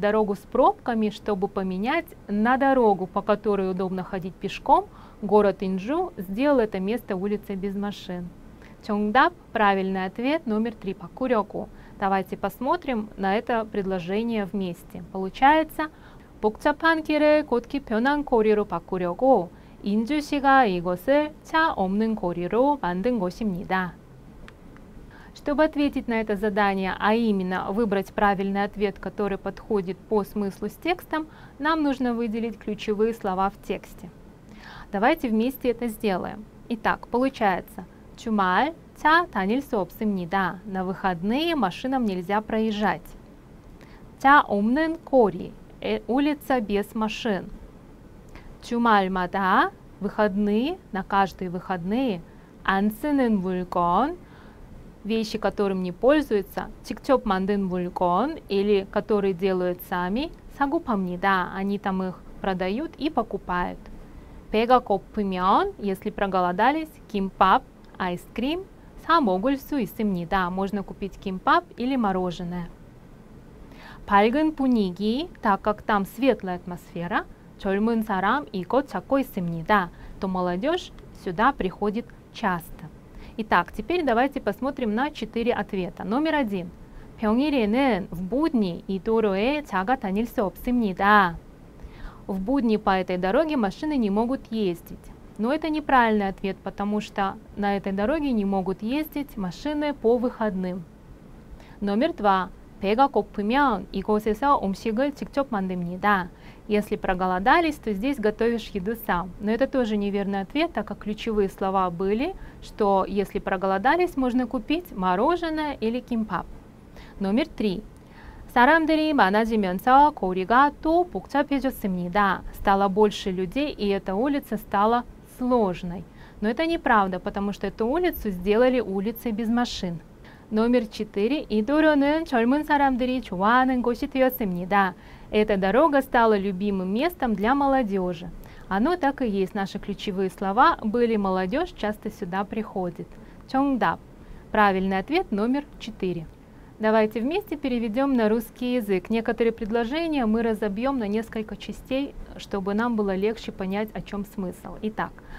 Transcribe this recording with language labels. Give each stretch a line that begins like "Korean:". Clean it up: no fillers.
Russian: Дорогу с пробками, чтобы поменять на дорогу, по которой удобно ходить пешком, город Инджу сделал это место улицей без машин. Чонгдап, правильный ответ, номер 3, покурёку. Давайте посмотрим на это предложение вместе. Получается,
Korean: 복잡한 길을 곧기 변한 거리로 바꾸려고 인주시가 이곳을 차 없는 거리로 만든 곳입니다.
Russian: Чтобы ответить на это задание, а именно выбрать правильный ответ, который подходит по смыслу с текстом, нам нужно выделить ключевые слова в тексте. Давайте вместе это сделаем. Итак, получается,
Korean: 주말 차 다닐 수 없습니다.
Russian: На выходные машинам нельзя проезжать.
Korean: 차 없는 거리
Russian: – улица без машин. 주말마다 – выходные, на каждые выходные.
Korean: 안 쓰는 물건
Russian: – вещи, которым не пользуются,
Korean: 직접 만든 물건,
Russian: или которые делают сами,
Korean: 사고 팝니다.
Russian: Они там их продают и покупают.
Korean: 배가 고프면,
Russian: если проголодались,
Korean: 김밥, айскрим, 사 먹을 수 있습니다.
Russian: Можно купить 김밥 или мороженое.
Korean: 밝은 분위기,
Russian: так как там светлая атмосфера,
Korean: 젊은 사람 이곳 찾고 있습니다.
Russian: То молодежь сюда приходит часто. Итак, теперь давайте посмотрим на 4 ответа. Номер 1.
Korean: 평일에는
Russian: в будни и
Korean: 도로에 차가 다닐 수 없습니다.
Russian: В будни по этой дороге машины не могут ездить. Но это неправильный ответ, потому что на этой дороге не могут ездить машины по выходным. Номер 2.
Korean: 배가 고프면 이곳에서 음식을 직접 만듭니다.
Russian: Если проголодались, то здесь готовишь еду сам. Но это тоже неверный ответ, так как ключевые слова были, что если проголодались, можно купить мороженое или кимбап. Номер 3.
Korean: 사람들이 많아지면서 거리가 또 복잡해졌습니다.
Russian: Стало больше людей, и эта улица стала сложной. Но это неправда, потому что эту улицу сделали улицей без машин. Номер 4.
Korean: 이 도로는 젊은 사람들이 좋아하는 곳이 되었습니다.
Russian: Эта дорога стала любимым местом для молодежи. Оно так и есть. Наши ключевые слова были «молодежь часто сюда приходит». Чонгдап. Правильный ответ номер 4. Давайте вместе переведем на русский язык. Некоторые предложения мы разобьем на несколько частей, чтобы нам было легче понять, о чем смысл. Итак.